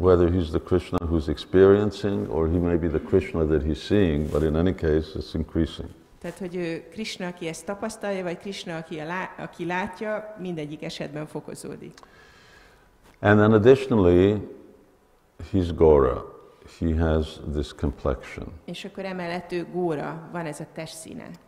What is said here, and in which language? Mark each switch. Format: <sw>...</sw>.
<en>Whether he's the Krishna who's experiencing, or he may be the Krishna that he's seeing, but in any case, it's increasing.</en> <hu>Tehát, hogy Krishna, aki ezt tapasztalja, vagy Krishna, aki látja, mindegyik esetben fokozódik.</hu> <en>And then additionally, he's Gora. He has this complexion.</en> <hu>És akkor emellett ő Gora, van ez a testszíne.</hu>